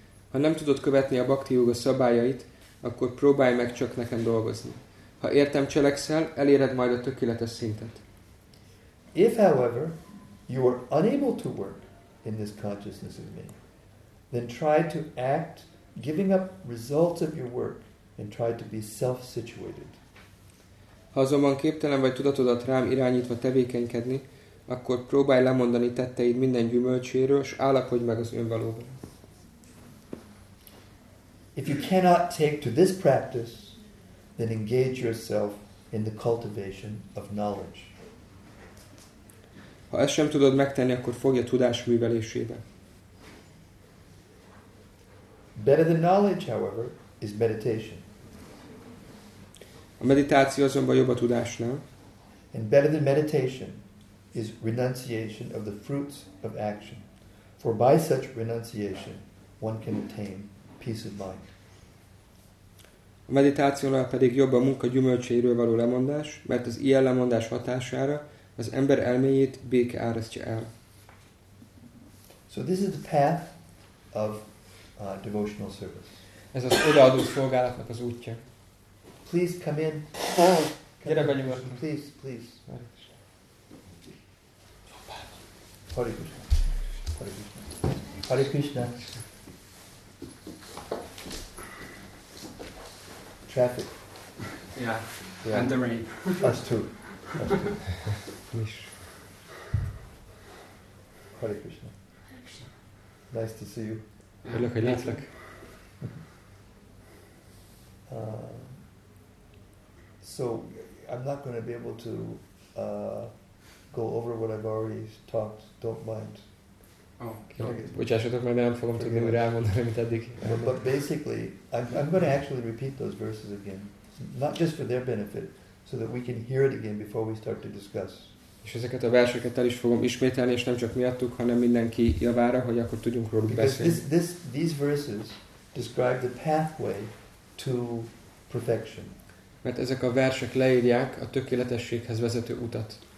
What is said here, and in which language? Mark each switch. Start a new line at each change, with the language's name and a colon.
Hungarian: Ha nem tudod követni a Bhakti Yoga szabályait, akkor próbálj meg csak nekem dolgozni. Ha értem cselekszel, eléred majd a tökéletes szintet.
English: If, however, you are unable to work in this consciousness of me, then try to act, giving up results of your work, and try to be self-situated.
Hungarian: Ha azonban képtelen vagy tudatodat rám irányítva tevékenykedni, akkor próbálj lemondani tetteid minden gyümölcséről, és állapodj meg az önvalóban.
English: If you cannot take to this practice, then engage yourself in the cultivation of knowledge.
Hungarian: Ha ezt sem tudod megtenni, akkor fogj a tudás művelésébe.
English: Better than knowledge, however, is meditation.
Hungarian: A meditáció azonban jobb a tudásnál.
English: And better than meditation is renunciation of the fruits of action. For by such renunciation, one can attain peace of mind.
Hungarian: A meditációnál pedig jobb a munka gyümölcséről való lemondás, mert az ilyen lemondás hatására az ember elméjét béke árasztja el.
English: So this is the path of devotional service.
Hungarian: Ez az odaadó szolgálatnak az útja.
English: Please come in.
Hungarian: Gyere be nyugodtan.
English: Please, please. Hare Krishna. Hare Krishna. Hare Krishna. Traffic. Yeah. Yeah. And the rain. Us too. Hare Krishna. Nice to see you.
Hungarian: Örülök, hogy látlak.
English: So I'm not going to be able to go over what I've already talked. Don't mind.
Hungarian: Oh, bocsássatok meg, nem fogom tudni újra elmondani, amit eddig.
English: But basically, I'm going to actually repeat those verses again, not just for their benefit, so that we can hear it again before we start to discuss.
Hungarian: És ezeket a verseket el is fogom ismételni, és nem csak miattuk, hanem mindenki javára, hogy akkor tudjunk róluk beszélni.
English: These verses describe the pathway to perfection.
Hungarian: Mert ezek a versek leírják a tökéletességhez vezető utat.